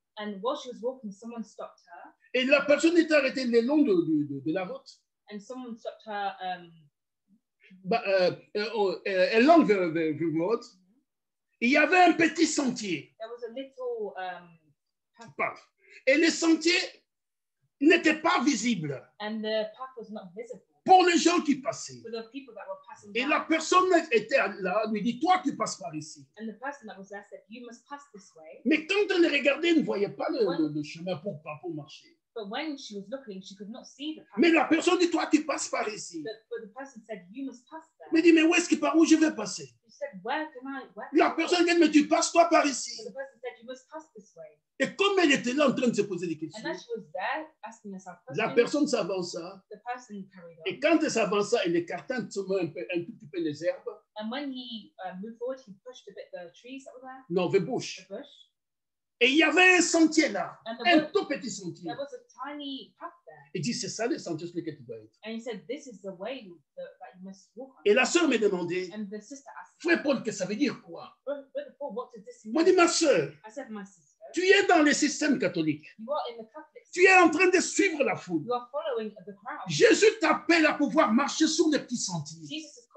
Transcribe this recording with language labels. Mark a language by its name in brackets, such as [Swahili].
[English] And while she was walking, someone stopped her. [French] Et la personne était arrêtée le long de la route. [English] And someone stopped her. Along the road, [French] il y avait un petit sentier. [English] There was a little [French] path. Et le sentier n'était pas visible. [English] And the path was not visible. [French] Pour les gens qui passaient. [English] For the people that were passing [French] et [English] by. [French] La personne était là, lui dit, toi tu passes par ici. [English] And the person that was there said, you must pass this way. [French] Mais quand on les regardait, ne voyait pas le chemin pour marcher. [English] But when she was looking, she could not see the path. [French] Mais la personne dit, toi tu passes par ici. [English] But the person said, you must pass there. [French] Mais dit, mais où est-ce que par où je vais passer? [English] She said, where can I, where [French] can la personne dit, mais tu passes toi par ici. [English] But the person said, you must pass this way. [French] Et comme elle était là en train de se poser des questions, [English] and she was there asking herself, [French] la personne s'avança. [English] The person carried on. [French] Et quand elle s'avança, elle écarta un petit peu les herbes. [English] And when he moved forward, he pushed a bit the trees that were there. [French] Non, [English] the bush. [French] Et il y avait un sentier là, un tout petit sentier. [English] There was a tiny path there. [French] Et dit, c'est ça le sentier sur lequel tu dois être. [English] And he said, this is the way that you must walk. [French] Et la sœur m'a demandé, [English] and the sister asked, [French] frère Paul, qu'est-ce que ça veut dire quoi? [English] Brother Paul, what did this mean? [French] Moi, dit, ma sœur, [English] I said, my sister, [French] tu es dans le système catholique. [English] You are in the Catholic [French] system. Tu es en train de suivre la foule. [English] You are following the crowd. [French] Jésus t'appelle à pouvoir marcher sur les petits sentiers.